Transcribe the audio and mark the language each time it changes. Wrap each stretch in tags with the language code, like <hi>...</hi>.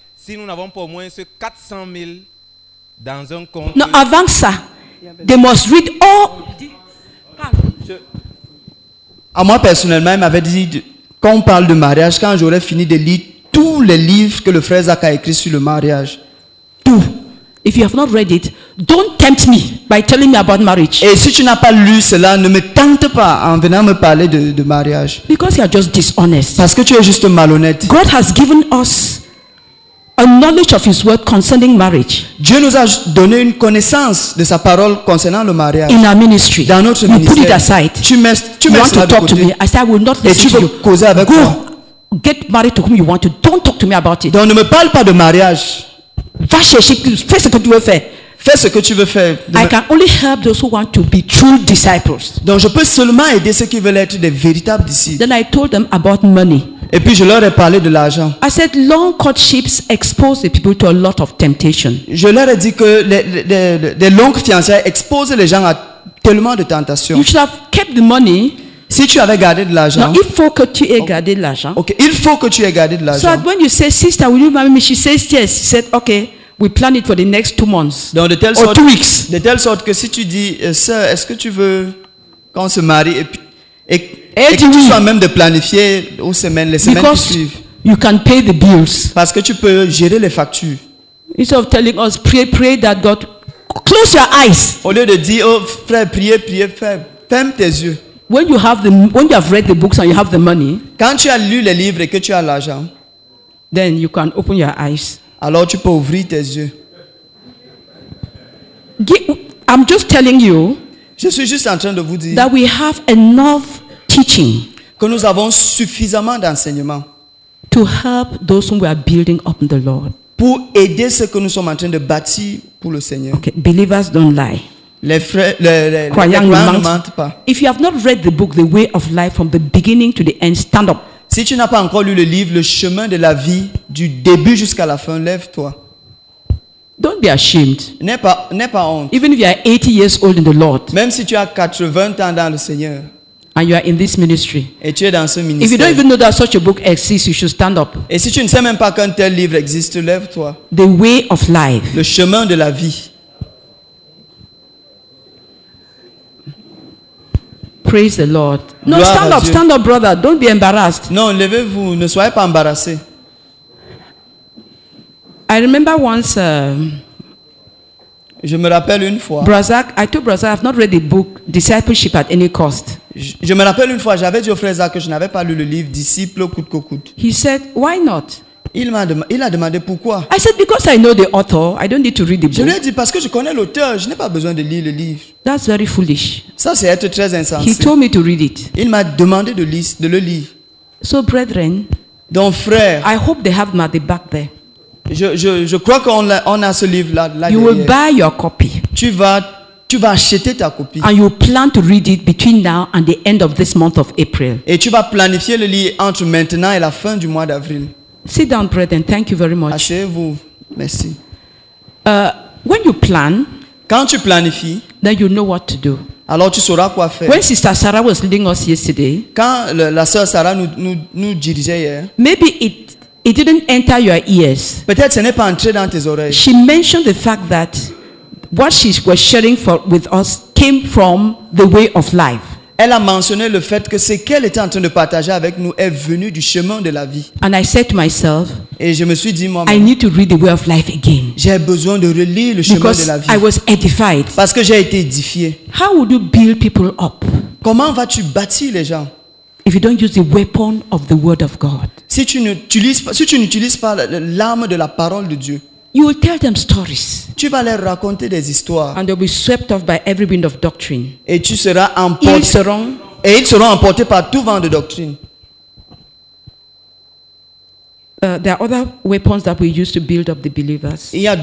<fr>Si nous n'avons pas au moins ce 400 000 dans un compte. Non, avant ça,</fr> <en>they must read all.</en> <fr>À moi personnellement, il m'avait dit qu'on parle de mariage quand j'aurais fini de lire tous les livres que le frère Zach a écrit sur le mariage. Tout.</fr> <en>If you have not read it, don't tempt me by telling me about marriage.</en> <fr>Et si tu n'as pas lu cela, ne me tente pas en venant me parler de mariage.</fr> <en>Because you are just dishonest.</en> <fr>Parce que tu es juste malhonnête.</fr> <en>God has given us a knowledge of his word concerning marriage.</en> <fr>Dieu nous a donné une connaissance de sa parole concernant le mariage.</fr> <en>In our ministry.</en> <fr>Dans notre</fr> <en>you</en> <fr>ministère.</fr> <en>Put it aside.</en> <fr>Tu mets</fr> <en>want to talk to me. I said I will not listen to you.</en> <fr>Et tu causes avec</fr> <en>go</en> <fr>moi.</fr> <en>Get married to whom you want to. Don't talk to me about it.</en> <fr>Donc ne me parle pas de mariage. Va chercher, fais ce que tu veux faire. Fais ce que tu veux faire.</fr> <en>I can only help those who want to be true disciples.</en> <fr>Donc je peux seulement aider ceux qui veulent être des véritables disciples.</fr> <en>Then I told them about money.</en> <fr>Et puis je leur ai parlé de l'argent.</fr> <en>I said long courtships expose the people to a lot of temptation.</en> <fr>Je leur ai dit que les longues fiançailles exposent les gens à tellement de tentations.</fr> <en>You should have kept the money.</en> <fr>Si tu avais gardé de l'argent.</fr> <en>Now,</en> <fr>il faut que tu aies gardé de l'argent. Okay, il faut que tu aies gardé de l'argent.</fr> <en>So that when you say sister, will you marry me? She says yes. She said okay. We plan it for the next 2 months.</en> <fr>Donc,</fr> <en>or 2 weeks.</en> <fr>De telle sorte que si tu dis sœur, est-ce que tu veux qu'on se marie et oui. Que tu sois même de planifier aux semaines, les semaines</fr> <en>because</en> <fr>qui suivent.</fr> <en>You can pay the bills.</en> <fr>Parce que tu peux gérer les factures.</fr> <en>Instead of telling us pray that God close your eyes.</en> <fr>Au lieu de dire oh frère priez ferme tes yeux.</fr> <en>When you have read the books and you have the money.</en> <fr>Quand tu as lu les livres et que tu as l'argent.</fr> <en>Then you can open your eyes.</en> <fr>Alors tu peux ouvrir tes yeux.</fr> <en>I'm just telling you.</en> <fr>Je suis juste en train de vous dire.</fr> <en>That we have enough teaching.</en> <fr>Que nous avons suffisamment d'enseignement.</fr> <en>To help those whom we are building up in the Lord.</en> <fr>Pour aider ceux que nous sommes en train de bâtir pour le Seigneur.</fr> <en>Okay, believers don't lie.</en> <fr>Les croyants ne mentent pas.</fr> <en>If you have not read the book, The Way of Life, from the beginning to the end, stand up.</en> <fr>Si tu n'as pas encore lu le livre, Le Chemin de la Vie, du début jusqu'à la fin, lève-toi.</fr> <en>Don't be ashamed.</en> <fr>N'aie pas honte.</fr> <en>Even if you are 80 years old in the Lord.</en> <fr>Même si tu as 80 ans dans le Seigneur.</fr> <en>And you are in this ministry.</en> <fr>Et tu es dans ce ministère.</fr> <en>If you don't even know that such a book exists, you should stand up.</en> <fr>Et si tu ne sais même pas qu'un tel livre existe, lève-toi.</fr> <en>The Way of Life.</en> <fr>Le Chemin de la Vie.</fr> <en>Praise the Lord. No, stand up, brother. Don't be embarrassed.</en> <fr>Non, levez-vous. Ne soyez pas embarrassé.</fr> <en>I remember once.</en> <fr>Je me rappelle une fois.</fr> <en>Brazak, I told Brazak, I've not read the book Discipleship at any cost.</en> <fr>Je me rappelle une fois, j'avais dit au frère Zach que je n'avais pas lu le livre Disciple coûte que coûte.</fr> <en>He said, why not?</en> <fr>Il a demandé pourquoi.</fr> <en>I said, because I know the author, I don't need to read the book.</en> <fr>Je lui ai dit parce que je connais l'auteur, je n'ai pas besoin de lire le livre.</fr> <en>That's very foolish.</en> <fr>Ça c'est être très insensé.</fr> <en>He told me to read it.</en> <fr>Il m'a demandé de le lire.</fr> <en>So brethren,</en> <fr>donc frère,</fr> <en>I hope they have them at the back there.</en> <fr>Je crois qu'on a ce livre là.</fr> <en>You</en> <fr>derrière.</fr> <en>Will buy your copy.</en> <fr>Tu vas acheter ta copie.</fr> <en>And you plan to read it between now and the end of this month of April.</en> <fr>Et tu vas planifier le lire entre maintenant et la fin du mois d'avril.</fr> <en>Sit down, brethren. Thank you very much.</en> <fr>Asseyez-vous. Merci.</fr> <en>When you plan,</en> <fr>quand tu planifies,</fr> <en>then you know what to do.</en> <fr>Alors tu sauras quoi faire.</fr> <en>When Sister Sarah was leading us yesterday,</en> <fr>quand la sœur Sarah nous dirigeait hier,</fr> <en>maybe it didn't enter your ears.</en> <fr>Peut-être ce n'est pas entré dans tes oreilles.</fr> <en>She mentioned the fact that what she was sharing with us came from the Way of Life.</en> <fr>Elle a mentionné le fait que ce qu'elle était en train de partager avec nous est venu du Chemin de la Vie.</fr> <en>And I said to myself,</en> <fr>et je me suis dit moi-même,</fr> <en>I need to read the Way of Life again.</en> <fr>J'ai besoin de relire le Chemin</fr> <en>because</en> <fr>de la Vie.</fr> <en>I was edified.</en> <fr>Parce que j'ai été édifié.</fr> <en>How would you build people up?</en> <fr>Comment vas-tu bâtir les gens?</fr> <en>If you don't use the weapon of the Word of God,</en> <fr>si tu n'utilises pas l'arme de la parole de Dieu,</fr> <en>you will tell them stories.</en> <fr>Tu vas leur raconter des histoires.</fr> <en>And they'll be swept off by every wind of doctrine.</en> <fr>Et tu seras emporté. Ils seront emportés par tout vent de doctrine.</fr> <en>There are other weapons that we use to build up the believers.</en>